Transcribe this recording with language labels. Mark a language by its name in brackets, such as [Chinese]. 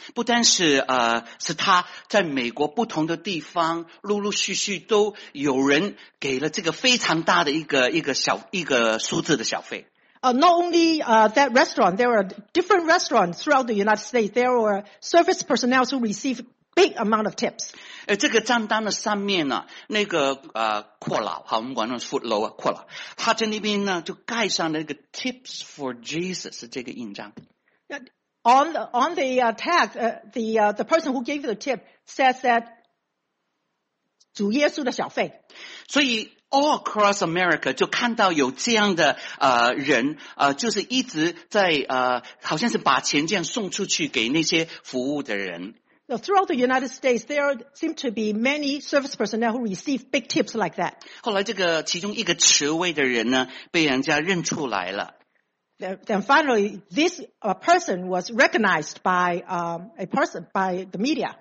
[Chinese] 不单是是他在美国不同的地方陆陆续续都有人给了这个非常大的一个数字的小费。 [English] Not only that restaurant, there were different restaurants throughout the United States. There were service personnel who received big amount of tips. [Chinese] 这个账单的上面呢，那个阔佬，好，我们管他是 foot low 啊，阔佬，他在那边呢就盖上了一个 [English] tips for Jesus [Chinese] 这个印章。 [English] On the tag, the person who gave the tip says that [Chinese] 主耶稣的小费。所以 [English] all across America [Chinese] 就看到有这样的人就是一直在好像是把钱这样送出去给那些服务的人。 [English] So throughout the United States, there seem to be many service personnel who receive big tips like that. [Chinese] 后来这个其中一个职位的人呢，被人家认出来了。 [English] Then finally, this person was recognized by a person by the media.